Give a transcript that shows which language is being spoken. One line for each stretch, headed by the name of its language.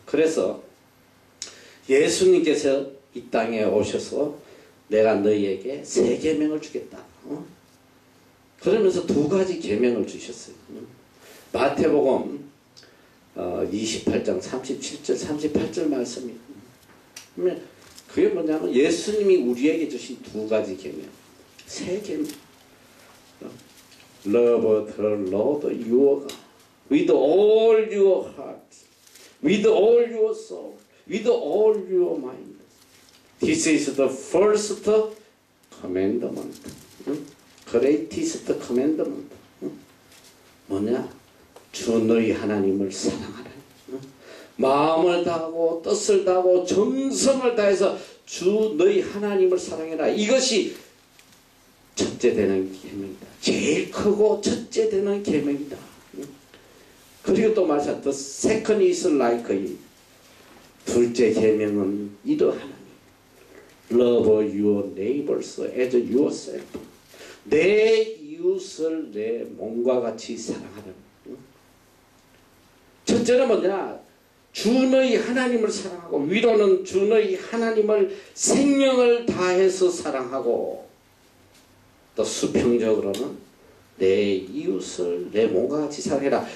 Korean: 그래서 예수님께서 이 땅에 오셔서 내가 너희에게 새 계명을 주겠다 그러면서 두 가지 계명을 주셨어요. 마태복음 28장 37절 38절 말씀이, 그게 뭐냐면 예수님이 우리에게 주신 두 가지 계명, 세 계명.
English: Love the Lord your God with all your heart, with all your soul, with all your mind. This is the first commandment. Greatest commandment.
Korean: 뭐냐? 주 너희 하나님을 사랑하라. 마음을 다하고 뜻을 다하고 정성을 다해서 주 너희 하나님을 사랑해라. 이것이 첫째 되는 계명이다. 제일 크고 첫째 되는 계명이다. 그리고 또 말하자.
English: The second is like it.
Korean: 둘째 계명은 이러하니. Love your neighbors as yourself. 내 이웃을 내 몸과 같이 사랑하라. 첫째는 뭐냐? 주 너희 하나님을 사랑하고 위로는 주 너희 하나님을 생명을 다해서 사랑하고 또 수평적으로는 내 이웃을 내 몸과 같이 사랑해라.